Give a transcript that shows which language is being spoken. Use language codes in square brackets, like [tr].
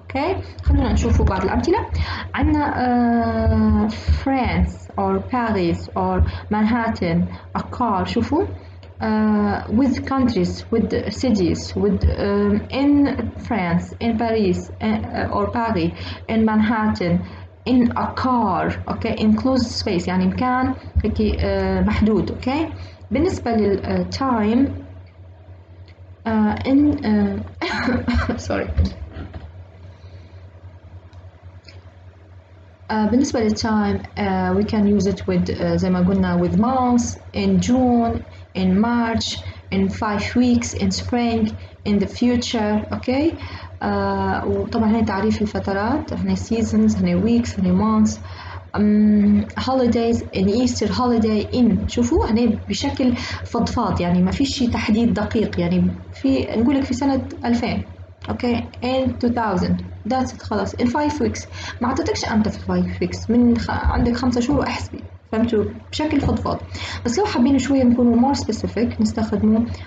[en] okay [ar] خلونا نشوفوا بعض الأمثلة عندنا [en] France or Paris or Manhattan a car شوفوا with countries with cities with in France in Paris or Paris in Manhattan in a car, okay, enclosed space, [ar] يعني مكان هيك محدود, [en] okay. [ar] بالنسبة لل [en] time, in, sorry. [ar] بالنسبة لل [en] time, we can use it with, [ar] زي ما قلنا, [en] with months, in June, in March, in 5 weeks, in spring, in the future, okay. [ar] وطبعا هنا تعريف الفترات هنا seasons هنا weeks هنا months holidays in Easter holiday in شوفوا هنا بشكل فضفاض يعني ما في شيء تحديد دقيق يعني في نقولك في سنة 2000 okay [en] in 2000 that's it [ar] خلاص in 5 weeks ما عطتكش أمتى في 5 weeks من عندك 5 شهور أحسبي فهمتوا بشكل فضفاض بس لو حابين شوية نكون [en] more specific [ar] نستخدمه